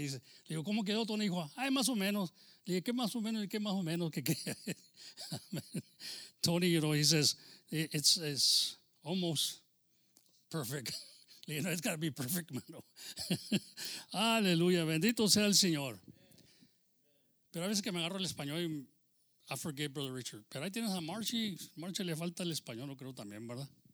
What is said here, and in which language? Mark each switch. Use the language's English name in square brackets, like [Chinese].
[Spanish] Dice, le digo, ¿cómo quedó, Tony? Dijo, ay, más o menos. Le dije, ¿qué más o menos? ¿Qué más o menos? ¿Qué? [English] Tony, you know, he says, it's almost perfect. [Spanish] Le digo, no, [English] it's got to be perfect, mano. [Spanish] Aleluya, bendito sea el Señor. Pero a veces que me agarro el español y [English] I forget, [Spanish] Brother Richard. Pero ahí tienes a Marchi. Marchi le falta el español, no creo también, ¿verdad?